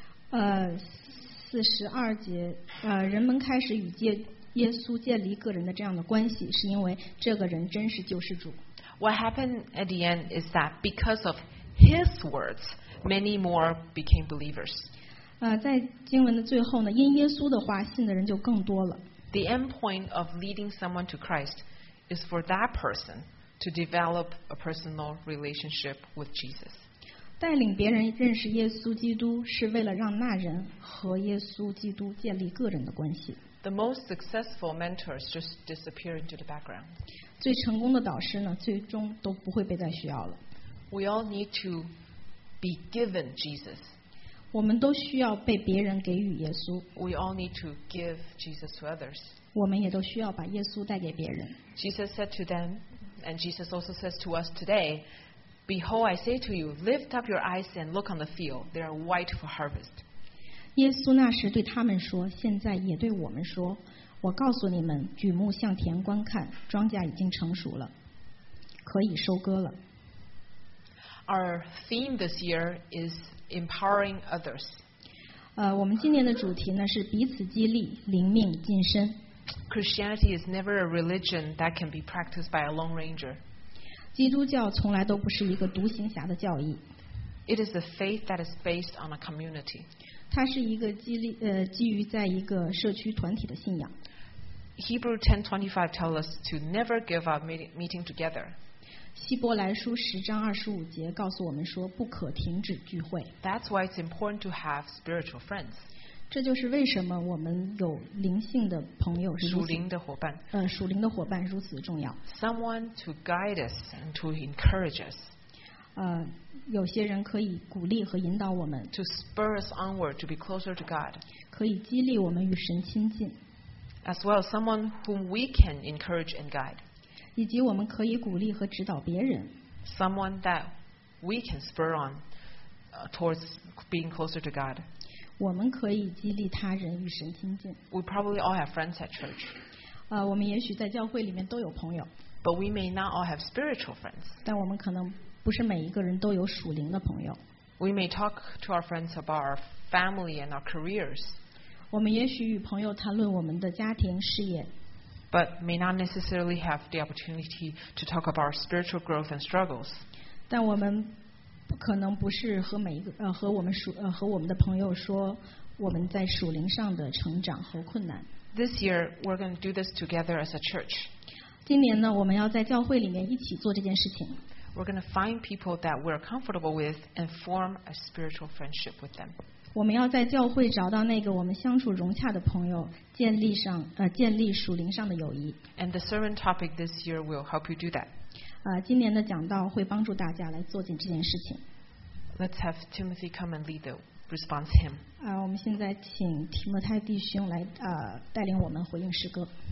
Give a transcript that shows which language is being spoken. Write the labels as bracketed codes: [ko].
[zh] 四十二节，人们开始与耶稣建立个人的这样的关系，是因为这个人真是救世主。 [en] What happened at the end is that because of his words, many more became believers. [zh] 在经文的最后呢，因耶稣的话，信的人就更多了。 [en] The end point of leading someone to Christ is for that person to develop a personal relationship with Jesus. [zh] 带领别人认识耶稣基督，是为了让那人和耶稣基督建立个人的关系。 [en] The most successful mentors just disappear into the background. [zh] 最成功的导师呢，最终都不会被再需要了。 [en] We all need to be given Jesus. [zh] 我们都需要被别人给予耶稣。 [en] We all need to give Jesus to others. [zh] 我们也都需要把耶稣带给别人。 [en] Jesus said to them, and Jesus also says to us today. Behold, I say to you, lift up your eyes and look on the field. They are white for harvest. [zh] 耶稣那时对他们说，现在也对我们说，我告诉你们，举目向田观看，庄稼已经成熟了，可以收割了。 [en] Our theme this year is empowering others. [zh] 我们今年的主题呢，是彼此激励，灵命晋升。 [en] Christianity is never a religion that can be practiced by a lone ranger. [zh] 基督教从来都不是一个独行侠的教义。 [en] It is a faith that is based on a community. [zh] 它是一个基于在一个社区团体的信仰。 [en] Hebrews 10:25 tells us to never give up meeting together. [zh] 希伯来书十章二十五节告诉我们说，不可停止聚会。 [en] That's why it's important to have spiritual friends. [zh] 这就是为什么我们有灵性的朋友是属灵的伙伴。属灵的伙伴如此重要。 [en] Someone to guide us and to encourage us. [zh] 有些人可以鼓励和引导我们。 [en] To spur us onward to be closer to God. [zh] 可以激励我们与神亲近。 [en] As well, someone whom we can encourage and guide. [zh] 以及我们可以鼓励和指导别人。 [en] Someone that we can spur on towards being closer to God. [zh] 我们可以激励他人与神亲近。 [en] We probably all have friends at church. [zh] 我们也许在教会里面都有朋友。 [en] But we may not all have spiritual friends. [zh] 但我们可能不是每一个人都有属灵的朋友。 [en] We may talk to our friends about our family and our careers. [zh] 我们也许与朋友谈论我们的家庭事业。 [en] But may not necessarily have the opportunity to talk about our spiritual growth and struggles. [zh] 但我们不可能不是和每一个和我们属和我们的朋友说我们在属灵上的成长和困难。 [en] This year we're going to do this together as a church. [zh] 今年呢，我们要在教会里面一起做这件事情。 [en] We're going to find people that we're comfortable with and form a spiritual friendship with them. [zh] 我们要在教会找到那个我们相处融洽的朋友，建立属灵上的友谊。 [en] And the sermon topic this year will help you do that. [zh] 今年的讲道会帮助大家来做进这件事情。 [en] Let's have Timothy come and lead the response hymn. [zh] 我们现在请提摩太弟兄来带领我们回应诗歌。